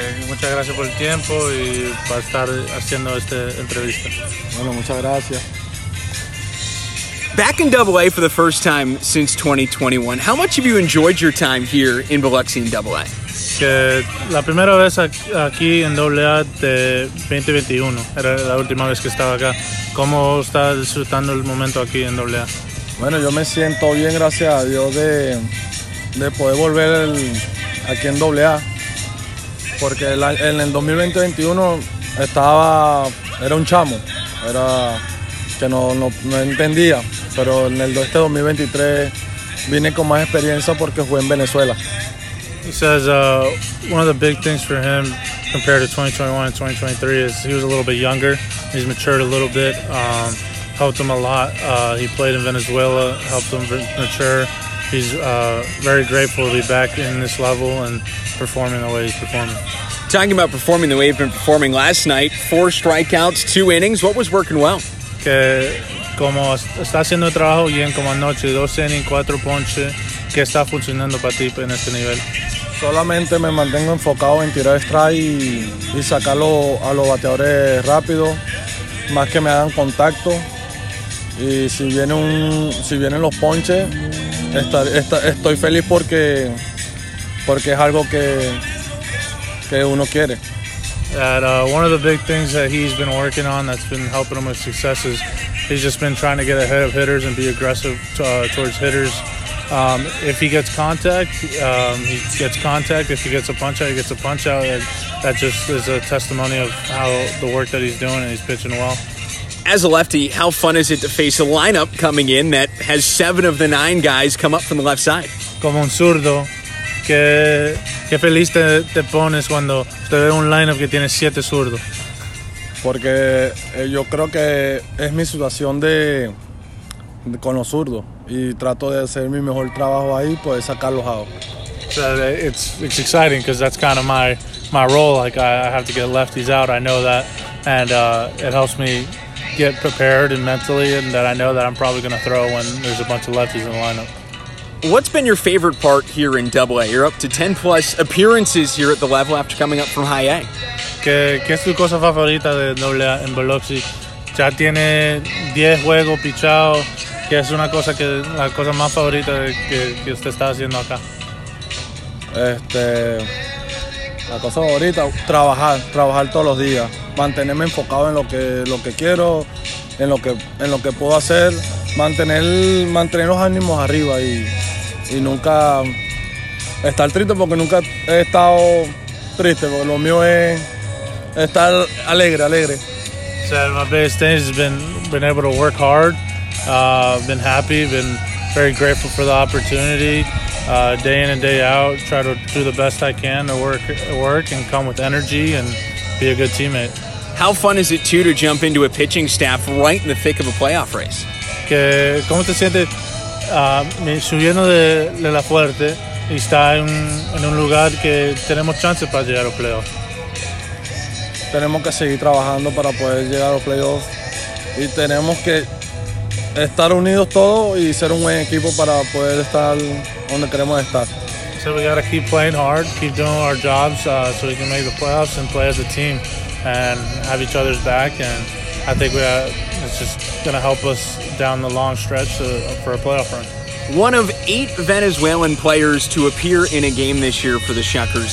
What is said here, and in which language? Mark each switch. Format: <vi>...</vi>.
<es>Muchas gracias por el tiempo y para estar haciendo esta entrevista. Bueno, muchas gracias.</es> <en>Back in AA for the first time since 2021, how much have you enjoyed your time here in Biloxi in AA?</en> <es>Que la primera vez aquí en AA de 2021, era la última vez que estaba acá. ¿Cómo está disfrutando el momento aquí en AA? Bueno, yo me siento bien, gracias a Dios, de poder volver aquí en AA. Porque en el 2020-21 estaba, era un chamo, era que no entendía. Pero en el 2023 vine con más experiencia porque jugué en Venezuela.</es> <en>He says one of the big things for him compared to 2021 and 2023 is he was a little bit younger. He's matured a little bit, helped him a lot. He played in Venezuela, helped him mature. He's very grateful to be back in this level and performing the way he's performing. Talking about performing the way he's been performing last night, 4 strikeouts, 2 innings. What was working well?</en> <es>Que como está haciendo el trabajo bien como anoche, 2 innings, 4 ponches, ¿qué está funcionando para ti en este nivel? Solamente me mantengo enfocado en tirar strike y sacarlo a los bateadores rápido, más que me hagan contacto. Y si vienen los ponches, estoy feliz porque es algo que uno quiere.</es> <en>That one of the big things that he's been working on that's been helping him with success is he's just been trying to get ahead of hitters and be aggressive towards hitters. If he gets contact, he gets contact. If he gets a punch out, he gets a punch out. And that just is a testimony of how the work that he's doing, and he's pitching well. As a lefty, how fun is it to face a lineup coming in that has 7 of the 9 guys come up from the left side?</en> <es>Como un zurdo, qué feliz te pones cuando te ve un lineup que tiene 7 zurdos. Porque yo creo que es mi situación de con los zurdos y trato de hacer mi mejor trabajo ahí, poder sacarlos out.</es> <en>So it's exciting because that's kind of my role. Like I have to get lefties out. I know that, and it helps me get prepared and mentally, and that I know that I'm probably going to throw when there's a bunch of lefties in the lineup. What's been your favorite part here in AA? You're up to 10 plus appearances here at the level after coming up from high A.</en> <es>¿Qué es tu cosa favorita de AA en Biloxi? Ya tiene 10 juegos pichados. ¿Qué es una cosa que la cosa más favorita que usted está haciendo acá? La cosa favorita, trabajar todos los días, mantenerme enfocado en lo que quiero, en lo que puedo hacer, mantener los ánimos arriba y nunca estar triste, porque nunca he estado triste, porque lo mío es estar alegre.</es> <en>So my biggest thing has been able to work hard, been happy, been very grateful for the opportunity. Day in and day out, try to do the best I can to work and come with energy and be a good teammate. How fun is it too to jump into a pitching staff right in the thick of a playoff race?</en> <es>Que cómo te sientes subiendo de la fuerte y estar en un lugar que tenemos chances para llegar a los playoffs. Tenemos que seguir trabajando para poder llegar a los playoffs y tenemos que estar unidos todos y ser un buen equipo para poder estar donde queremos estar.</es> <en>So we gotta keep playing hard, keep doing our jobs so we can make the playoffs and play as a team and have each other's back. And I think it's just gonna help us down the long stretch for a playoff run. One of 8 Venezuelan players to appear in a game this year for the Shuckers.</en>